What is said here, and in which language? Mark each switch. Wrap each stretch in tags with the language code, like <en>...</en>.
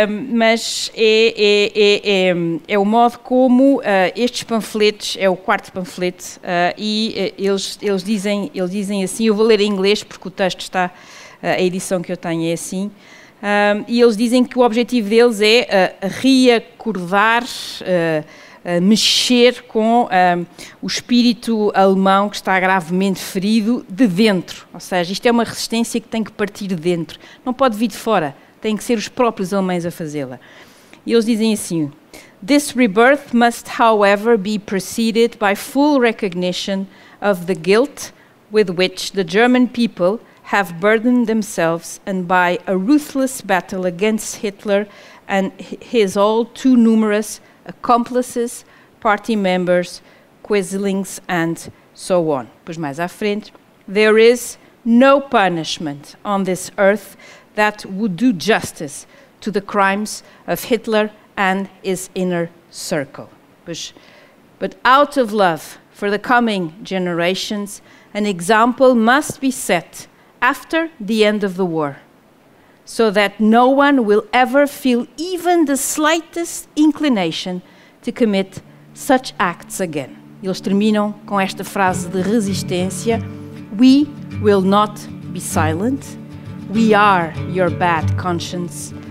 <pt>mas é o modo como estes panfletos, é o quarto panfleto, eles dizem assim, eu vou ler em inglês porque o texto está, a edição que eu tenho é assim, e eles dizem que o objetivo deles é reacordar, mexer com o espírito alemão que está gravemente ferido de dentro. Ou seja, isto é uma resistência que tem que partir de dentro. Não pode vir de fora. Tem que ser os próprios alemães a fazê-la. E eles dizem assim,</pt> <en>"This rebirth must, however, be preceded by full recognition of the guilt with which the German people have burdened themselves and by a ruthless battle against Hitler and his all too numerous accomplices, party members, quislings, and so on."</en> <pt>Pois mais à frente,</pt> <en>"There is no punishment on this earth that would do justice to the crimes of Hitler and his inner circle. But out of love for the coming generations, an example must be set after the end of the war, so that no one will ever feel even the slightest inclination to commit such acts again."</en> <pt>Eles terminam com esta frase de resistência.</pt> <en>"We will not be silent. We are your bad conscience.</en>